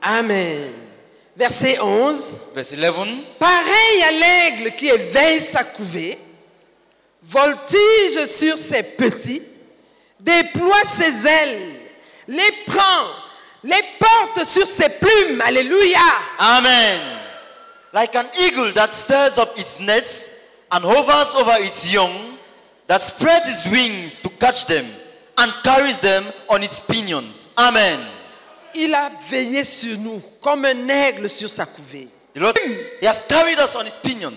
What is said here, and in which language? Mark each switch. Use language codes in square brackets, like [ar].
[fr] Amen. Verset 11. Verset 11. Pareil à l'aigle qui éveille sa couvée, voltige sur ses petits, déploie ses ailes, les prend, les porte sur ses plumes. Alléluia. Amen. [en] Like an eagle that stirs up its nets and hovers over its young, that spreads its wings to catch them and carries them on its pinions. Amen. [fr] Il a veillé sur nous comme un aigle sur sa couvée. [en] The Lord, he has carried us on his pinions.